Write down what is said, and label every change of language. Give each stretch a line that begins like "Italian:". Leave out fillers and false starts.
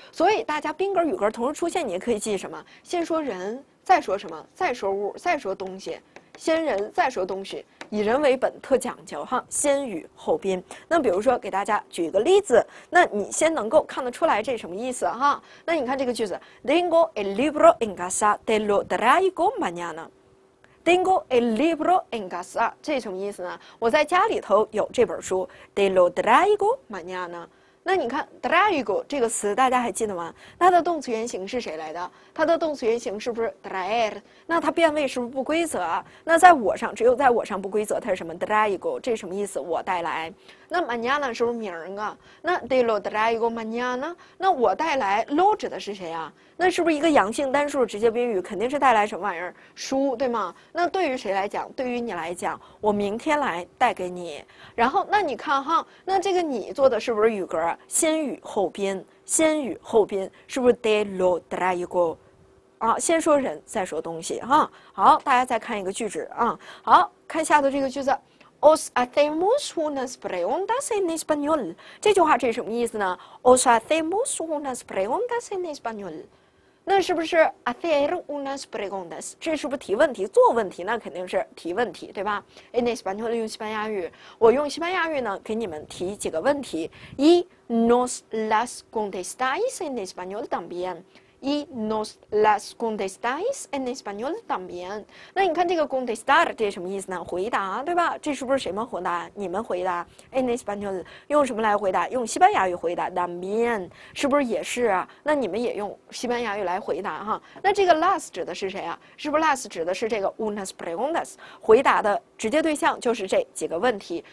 Chinese: 所以大家宾格语格同时出现，你也可以记什么？先说人，再说什么？再说物，再说东西。先人再说东西，以人为本，特讲究哈。先语后宾。那比如说，给大家举一个例子，那你先能够看得出来这什么意思哈？那你看这个句子
Spanish: ，Tengo el libro en casa, te lo traigo mañana。 Tengo el libro en casa，
Chinese: 这什么意思呢？我在家里头有这本书 ，
Spanish: te lo traigo mañana。
Chinese: 那你看 traigo 这个词大家还记得吗？它的动词原形是谁来的？它的动词原形是不是 traer？ 那它变位是不是不规则？那在我上，只有在我上不规则，它是什么 traigo？这什么意思？我带来。那 mañana 是不是名啊？那 te lo traigo mañana？那我带来 lo 指的是谁啊？那是不是一个阳性单数直接宾语？肯定是带来什么玩意儿？书，对吗？那对于谁来讲？对于你来讲，我明天来带给你。然后，那你看哈，那这个你做的是不是语格？先语后宾，先语后宾，是不是
Spanish: de lo traigo？
Chinese: 啊，先说人，再说东西哈。好，大家再看一个句子啊。好看下头这个句子。
Spanish: Os hacemos unas preguntas en español。
Chinese: 这句话这是什么意思呢
Spanish: ？Os hacemos unas preguntas en español。
Chinese: 那是不是
Spanish: hacer unas preguntas？
Chinese: 这是不是提问题？做问题那肯定是提问题，对吧 ？
Spanish: En español
Chinese: 用西班牙语，我用西班牙语呢给你们提几个问题。
Spanish: Y nos las contestáis en español también。 Y nos las contestáis en español también。
Chinese: 那你看这个 contestar 这什么意思呢？回答，对吧？这是不是谁们回答？你们回答 ？En español 用什么来回答？用西班牙语回答 ，también 是不是也是啊？那你们也用西班牙语来回答哈。那这个 las 指的是谁啊？是不是 las 指的是这个 unas preguntas？ 回答的直接对象就是这几个问题。